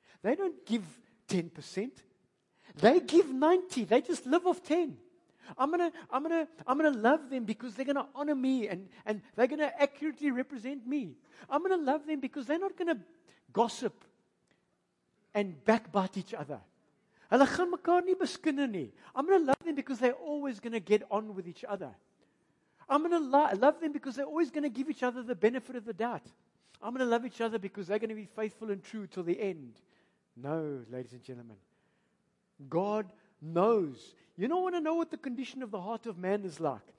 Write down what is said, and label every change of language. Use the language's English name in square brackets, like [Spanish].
[English] They don't give 10%. They give 90. They just live off 10. I'm gonna love them because they're gonna honor me and they're gonna accurately represent me. I'm gonna love them because they're not gonna gossip and backbite each other. [Afrikaans] Hulle gaan mekaar nie beskinder nie. [English] I'm gonna love them because they're always gonna get on with each other. I'm gonna love them because they're always gonna give each other the benefit of the doubt. I'm gonna love each other because they're gonna be faithful and true till the end. No, ladies and gentlemen. God knows. You don't want to know what the condition of the heart of man is like.